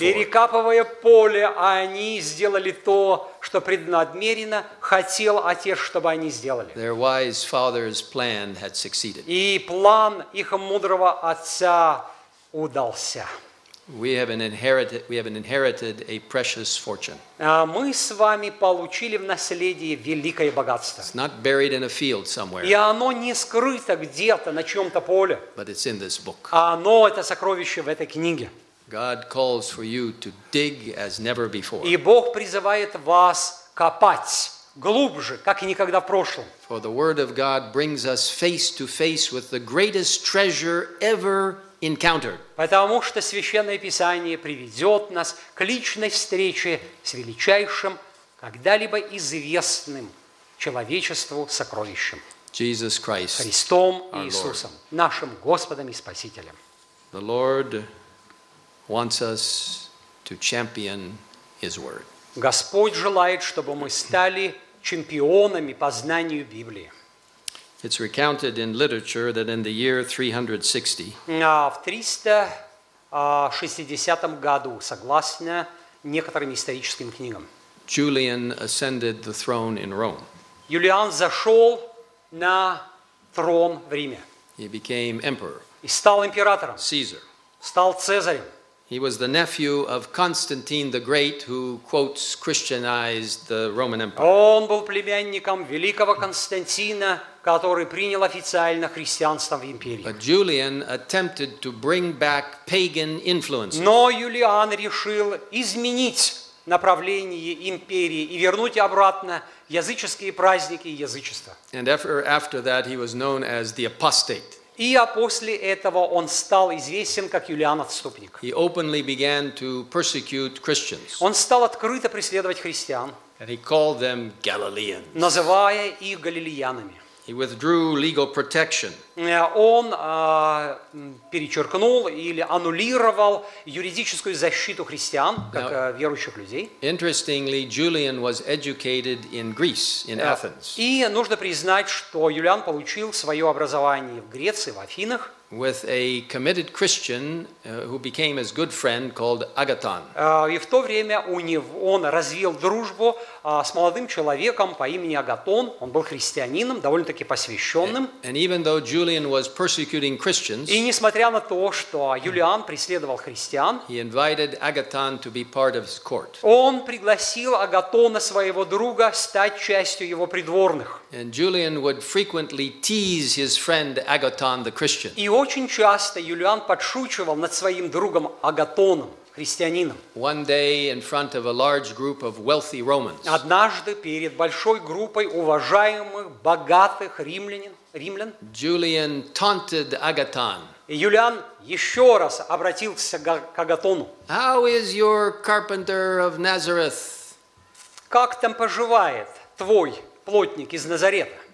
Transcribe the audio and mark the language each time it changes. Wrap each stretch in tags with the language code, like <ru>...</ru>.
<ru>Перекапывая поле, они сделали то, что преднамеренно хотел отец, чтобы они сделали.</ru> <en>Their wise father's plan had succeeded.</en> <ru>И план их мудрого отца удался.</ru> <en>We have inherited a precious fortune.</en> <ru>Мы с вами получили в наследие великое богатство.</ru> <en>It's not buried in a field somewhere.</en> <ru>И оно не скрыто где-то на чьем-то поле.</ru> <en>But it's in this book.</en> <ru>Оно это сокровище в этой книге.</ru> <en>God calls for you to dig as never before.</en> <ru>И Бог призывает вас копать глубже, как и никогда в прошлом.</ru> <en>For the word of God brings us face to face with the greatest treasure ever.</en> <ru>Потому что Священное Писание приведет нас к личной встрече с величайшим, когда-либо известным человечеству сокровищем.</ru> <en>Jesus Christ,</en> <ru>Христом Иисусом,</ru> <en>Lord.</en> <ru>Нашим Господом и Спасителем.</ru> <en>The Lord wants us to champion His Word.</en> <ru>Господь желает, чтобы мы стали чемпионами по знанию Библии.</ru> <en>It's recounted in literature that in the year 360.</en> <ru>В 360 году, согласно некоторым историческим книгам.</ru> <en>Julian ascended the throne in Rome.</en> <ru>Юлиан зашел на трон в Риме.</ru> <en>He became emperor.</en> <ru>И стал императором.</ru> <en>Caesar.</en> <ru>Стал Цезарем.</ru> <en>He was the nephew of Constantine the Great, who quotes Christianized the Roman Empire.</en> <ru>Он был племянником великого Константина, который принял официально христианство в империи.</ru> <en>But Julian attempted to bring back pagan influences.</en> <ru>Но Юлиан решил изменить направление империи и вернуть обратно языческие праздники и язычество.</ru> <en>And after that he was known as the apostate.</en> <ru>И после этого он стал известен как Юлиан Отступник.</ru> <en>He openly began to persecute Christians.</en> <ru>Он стал открыто преследовать христиан.</ru> <en>And he called them Galileans.</en> <ru>Называя их галилеянами.</ru> <en>He withdrew legal protection.</en> <ru>Он перечеркнул или аннулировал юридическую защиту христиан, как верующих людей.</ru> <en>Interestingly, Julian was educated in Greece, in Athens.</en> <ru>И нужно признать, что Юлиан получил свое образование в Греции, в Афинах.</ru> <en>With a committed Christian who became his good friend called Agathon.</en> <ru>И в то время он развил дружбу с молодым человеком по имени Агатон. Он был христианином, довольно-таки посвященным.</ru> <en>And even though Julian was persecuting Christians,</en> <ru>и несмотря на то, что Юлиан преследовал христиан,</ru> <en>he invited Agathon to be part of his court.</en> <ru>Он пригласил Агатона, своего друга, стать частью его придворных.</ru> <en>And Julian would frequently tease his friend Agathon the Christian.</en> <ru>И очень часто Юлиан подшучивал над своим другом Агатоном, христианином.</ru> <en>One day in front of a large group of wealthy Romans.</en> <ru>Однажды перед большой группой уважаемых, богатых римлян.</ru> <en>Julian taunted Agathon.</en> <ru>И Юлиан еще раз обратился к Агатону.</ru> <en>How is your carpenter of Nazareth?</en> <ru>Как там поживает твой плотник из Назарета?</ru>